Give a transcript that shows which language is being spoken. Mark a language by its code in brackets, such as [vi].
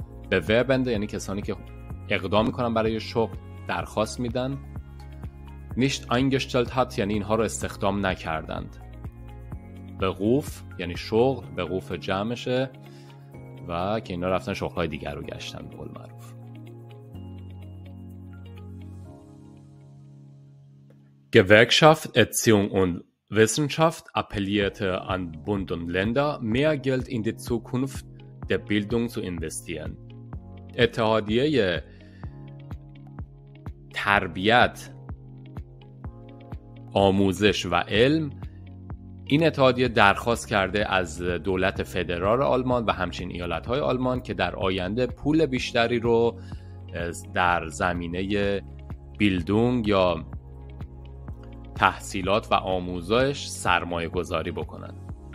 [fa] به وربنده یعنی کسانی که اقدام میکنن برای شغل، درخواست میدن، [de] نیشت انگشتلت هات [fa] یعنی اینها رو استخدام نکردند. بغوف یعنی شغل، بغوف جمعشه، و که اینا رفتن شغلهای دیگر رو گشتن به قول معروف. [de] Gewerkschaft Erziehung und Wissenschaft appellierte an Bund und Länder mehr Geld in die Zukunft der Bildung zu investieren. [fa] اتحادیه تربیت، آموزش و علم، این اتحادیه درخواست کرده از دولت فدرال آلمان و همچنین ایالت‌های آلمان که در آینده پول بیشتری رو در زمینه بیلدونگ یا تحصیلات و آموزش سرمایه گذاری بکنن.